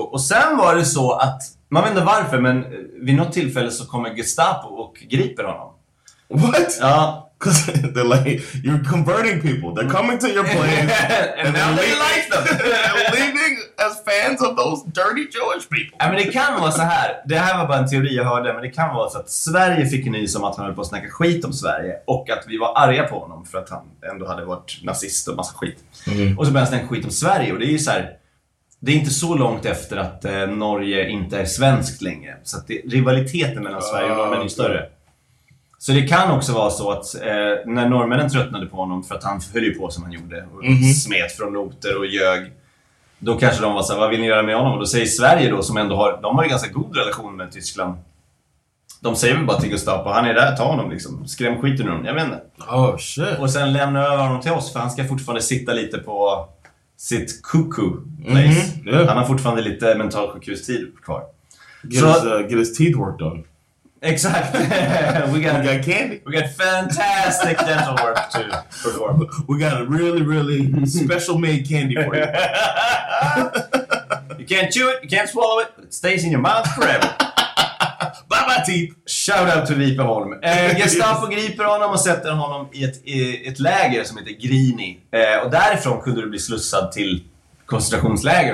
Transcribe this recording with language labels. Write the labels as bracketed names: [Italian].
[Swedish] Och sen var det så att, man vet inte varför, men vid något tillfälle så kommer Gestapo och griper honom. [English] What? [Swedish] Ja. [English] Because they're like, you're converting people. They're coming to your place. and now they like them. Leaving as fans of those dirty Jewish people. I mean, [Swedish] det kan vara så här. Det här var bara en teori jag hörde. Men det kan vara så att Sverige fick en ny som att han höll på att snacka skit om Sverige. Och att vi var arga på honom för att han ändå hade varit nazist och massa skit. Mm. Och så började han snacka skit om Sverige. Och det är ju så här, det är inte så långt efter att Norge inte är svenskt längre. Så att rivaliteten mellan Sverige och Norge är större. Så det kan också vara så att när norrmännen tröttnade på honom, för att han höll ju på som han gjorde och smet från noter och ljög, då kanske de var så här, vad vill ni göra med honom? Och då säger Sverige då, som ändå har, de har en ganska god relation med Tyskland, de säger väl bara till Gustav, han är där, ta honom liksom, skräm skiten ur honom, jag menar. [English] Oh, shit. [Swedish] Och sen lämnar över honom till oss, för han ska fortfarande sitta lite på sitt [English] cuckoo place. [Swedish] Mm-hmm. [English] Yeah. [Swedish] Han har fortfarande lite mentalsjukhustid kvar. [English] Get his teeth worked on. [Swedish] Exakt. [English] We got candy. We got fantastic dental work to perform. We got a really, really special made candy for you. You can't chew it, you can't swallow it, but it stays in your mouth forever. Bye bye teeth. Shout out to Ripeholm. [Swedish] Gestapo griper honom och sätter honom i ett läger som heter Grini. Och därifrån kunde du bli slussad till koncentrationsläger.